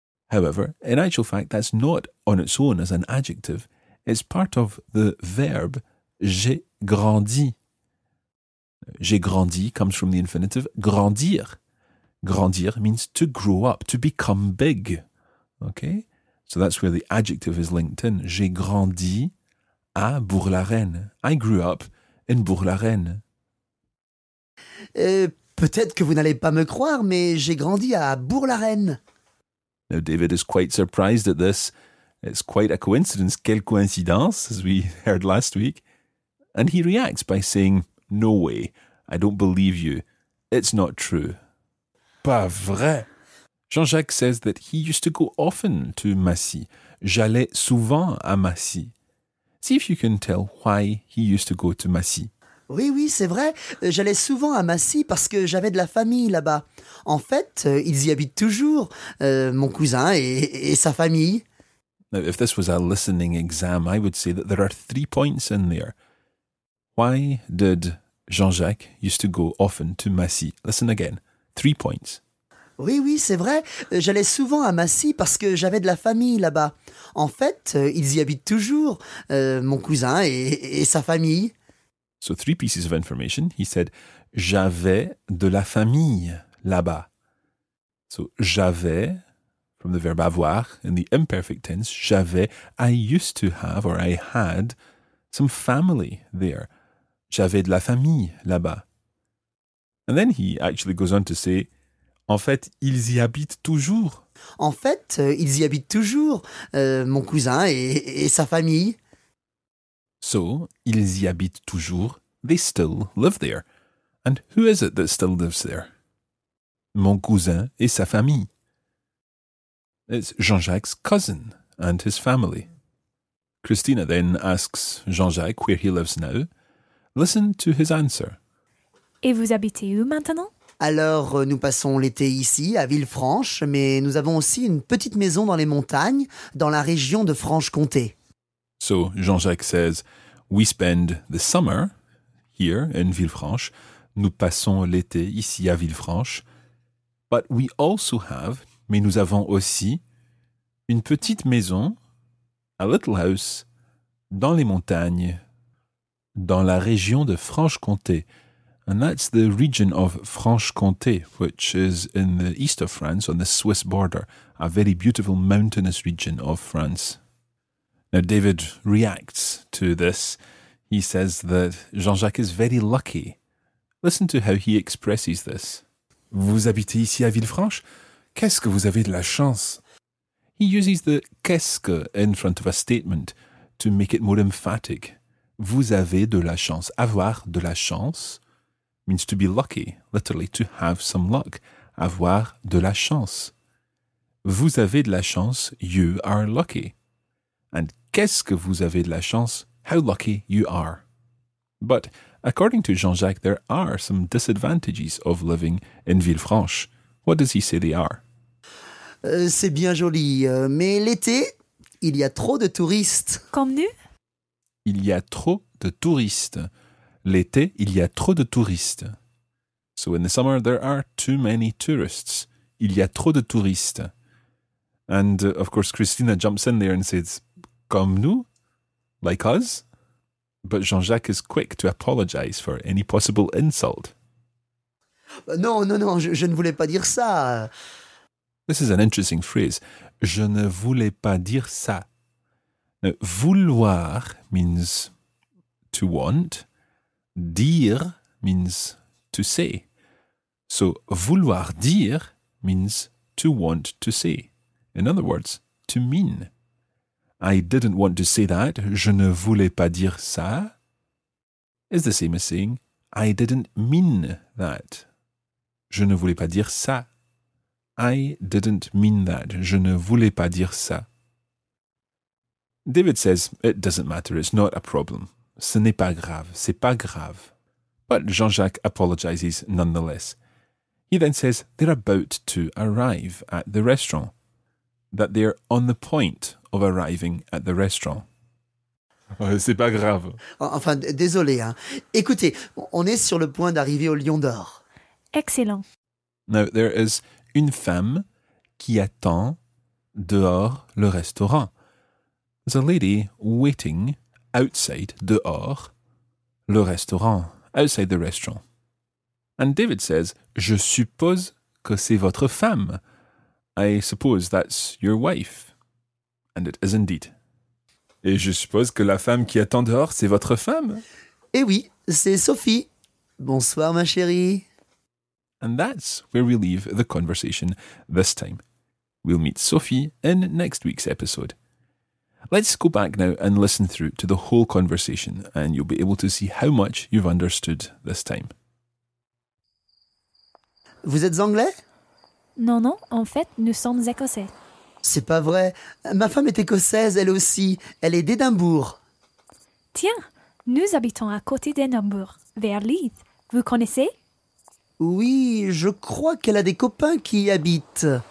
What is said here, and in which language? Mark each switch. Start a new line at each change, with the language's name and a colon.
English: However, in actual fact, that's not on its own as an adjective. It's part of the verb
French: j'ai grandi. J'ai grandi
English: comes from the infinitive grandir, Grandir means to grow up, to become big. Okay? So that's where the adjective is linked in.
French: J'ai grandi à Bourg-la-Reine.
English: I grew up in Bourg-la-Reine.
French: Peut-être que vous n'allez pas me croire, mais j'ai grandi à Bourg-la-Reine.
English: Now David is quite surprised at this. It's quite a coincidence.
French: Quelle coïncidence,
English: as we heard last week. And he reacts by saying, no way, I don't believe you. It's not true.
French: Pas vrai.
English: Jean-Jacques says that he used to go often to Massy.
French: J'allais souvent à Massy.
English: See if you can tell why he used to go to Massy.
French: Oui, oui, c'est vrai. J'allais souvent à Massy parce que j'avais de la famille là-bas. En fait, ils y habitent toujours, mon cousin et sa famille.
English: Now, if this was a listening exam, I would say that there are 3 points in there. Why did Jean-Jacques used to go often to Massy? Listen again. 3 points.
French: Oui, oui, c'est vrai. J'allais souvent à Massy parce que j'avais de la famille là-bas. En fait, ils y habitent toujours, mon cousin et sa famille.
English: So 3 pieces of information. He said,
French: j'avais de la famille là-bas.
English: So j'avais, from the verb avoir, in the imperfect tense, j'avais, I used to have, or I had, some family there.
French: J'avais de la famille là-bas.
English: And then he actually goes on to say,
French: en fait, ils y habitent toujours. En fait, ils y habitent toujours, mon cousin et sa famille. So, ils y habitent toujours.
English: They still live there. And who is it that still lives there?
French: Mon cousin et sa famille.
English: It's Jean-Jacques' cousin and his family. Christina then asks Jean-Jacques where he lives now. Listen to his answer.
French: Et vous habitez où maintenant? Alors, nous passons l'été ici, à Villefranche, mais nous avons aussi une petite maison dans les montagnes, dans la région de Franche-Comté.
English: So, Jean-Jacques says, we spend the summer here in Villefranche.
French: Nous passons l'été ici à Villefranche.
English: But we also have,
French: mais nous avons aussi, une petite maison,
English: a little house,
French: dans les montagnes, dans la région de Franche-Comté.
English: And that's the region of Franche-Comté, which is in the east of France, on the Swiss border, a very beautiful mountainous region of France. Now, David reacts to this. He says that Jean-Jacques is very lucky. Listen to how he expresses this.
French: Vous habitez ici à Villefranche? Qu'est-ce que vous avez de la chance?
English: He uses the qu'est-ce que in front of a statement to make it more emphatic.
French: Vous avez de la chance.
English: Avoir de la chance means to be lucky, literally to have some luck.
French: Avoir de la chance. Vous avez de la chance,
English: you are lucky.
French: And qu'est-ce que vous avez de la chance,
English: how lucky you are. But according to Jean-Jacques, there are some disadvantages of living in Villefranche. What does he say they are?
French: C'est bien joli, mais l'été, il y a trop de touristes. Comme nous? Il y a trop de touristes. L'été, il y a trop de touristes.
English: So in the summer, there are too many tourists.
French: Il y a trop de touristes.
English: And of course, Christina jumps in there and says,
French: comme nous,
English: like us. But Jean-Jacques is quick to apologize for any possible insult.
French: Non, non, non, je ne voulais pas dire ça.
English: This is an interesting phrase.
French: Je ne voulais pas dire ça.
English: Now, vouloir means to want. Dire means to say. So, vouloir dire means to want to say. In other words, to mean. I didn't want to say that.
French: Je ne voulais pas dire ça.
English: Is the same as saying, I didn't mean that.
French: Je ne voulais pas dire ça.
English: I didn't mean that.
French: Je ne voulais pas dire ça.
English: David says, it doesn't matter. It's not a problem.
French: Ce n'est pas grave. C'est pas grave.
English: But Jean-Jacques apologizes nonetheless. He then says, they're about to arrive at the restaurant. That they're on the point of arriving at the restaurant.
French: C'est pas grave. Enfin, désolé. Hein. Écoutez, on est sur le point d'arriver au Lion d'Or. Excellent.
English: Now, there is
French: une femme qui attend dehors le restaurant.
English: There's a lady waiting outside,
French: dehors, le restaurant,
English: outside the restaurant. And David says,
French: je suppose que c'est votre femme.
English: I suppose that's your wife. And it is indeed.
French: Et je suppose que la femme qui attend dehors, c'est votre femme. Eh oui, c'est Sophie. Bonsoir, ma chérie.
English: And that's where we leave the conversation this time. We'll meet Sophie in next week's episode. Let's go back now and listen through to the whole conversation, and you'll be able to see how much you've understood this time.
French: Vous êtes anglais? Non, non, en fait, nous sommes écossais. C'est pas vrai. Ma femme est écossaise, elle aussi. Elle est d'Édimbourg. Tiens, nous habitons à côté d'Édimbourg, vers Leith. Vous connaissez? Oui, je crois qu'elle a des copains qui y habitent.